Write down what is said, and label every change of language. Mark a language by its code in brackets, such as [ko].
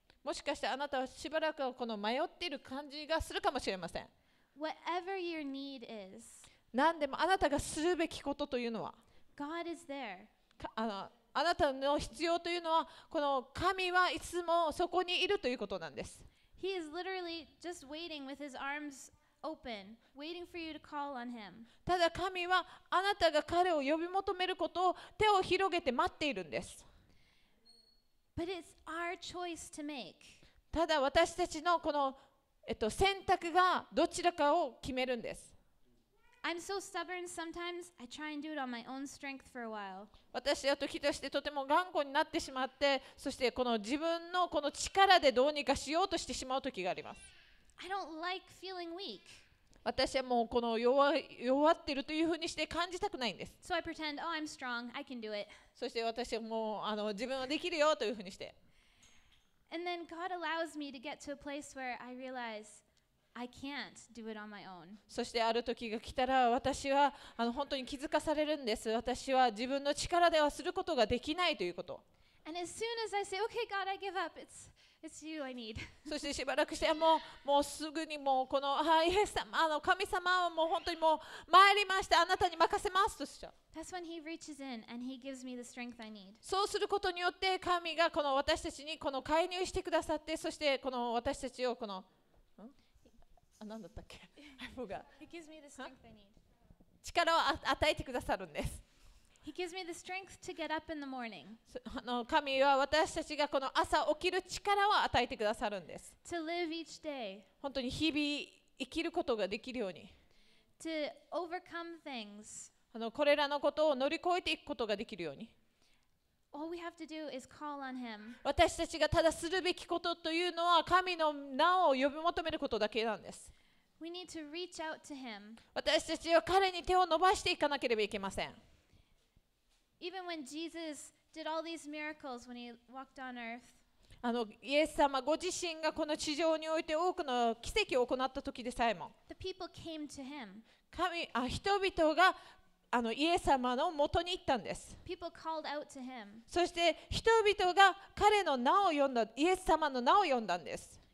[ja] もしかしてあなたはしばらくはこの迷っている感じがするかもしれません。 [en] Whatever your need is. [ja] 何でもあなたがするべきことというのは [en] God is there. [ja] あなたの必要というのはこの神はいつもそこにいるということなんです。 [en] He is literally just waiting with his arms open, waiting for you to call on him. [ja] ただ神はあなたが彼を呼び求めることを手を広げて待っているんです。 [en] But it's our choice to make. [ja] ただ私たちのこの選択がどちらかを決めるんです。 [en] I'm so stubborn sometimes. I try and do it on my own strength for a while. [ja] 私は時としてとても頑固になってしまって、そしてこの自分のこの力でどうにかしようとしてしまう時があります。 [en] I don't like feeling weak. [ja] 私はもうこの弱っているというふうにして感じたくないんです。 [en] So I pretend, oh, I'm strong. I can do it. [ja] そして私はもうあの自分はできるよというふうにして。 [en] And then God allows me to get to a place where I realize. I can't do it on my own. [ja] そしてある時が来たら私はあの本当に気づかされるんです。私は自分の力ではすることができないということ。 [en] And as soon as I say, okay, God, I give up, it's you I need. [ja] そしてしばらくしてもうすぐにもうこの、あ、イエス様、あの神様はもう本当にもう参りました、あなたに任せますとしちゃう。 [en] That's when he reaches in and he gives me the strength I need. [ja] そうすることによって神がこの私たちにこの介入してくださって、そしてこの私たちをこの、あ、何だったっけ、 [en] He gives me the strength I need. [ja] 力を与えてくださるんです。 [en] He gives me the strength to get up in the morning. [ja] あの神は私たちがこの朝起きる力を与えてくださるんです。 [en] To live each day. [ja] 本当に日々生きることができるように。 [en] To overcome things. [ja] あのこれらのことを乗り越えていくことができるように。 [en] All we have to do is call on him. [ja] 私たちがただするべきことというのは神の名を呼び求めることだけなんです。 [en] We need to reach out to him. [ja] 私たちは彼に手を伸ばしていかなければいけません。 [en] Even when Jesus did all these miracles when he walked on earth. [ja] あのイエス様ご自身がこの地上において多くの奇跡を行った時でさえも。 [en] The people came to him. [ja] 神、あ、人々があのイエス様の元に行ったんです。 [en] People called out to him. [ja] そして人々が彼の名を呼んだ、イエス様の名を呼んだんです。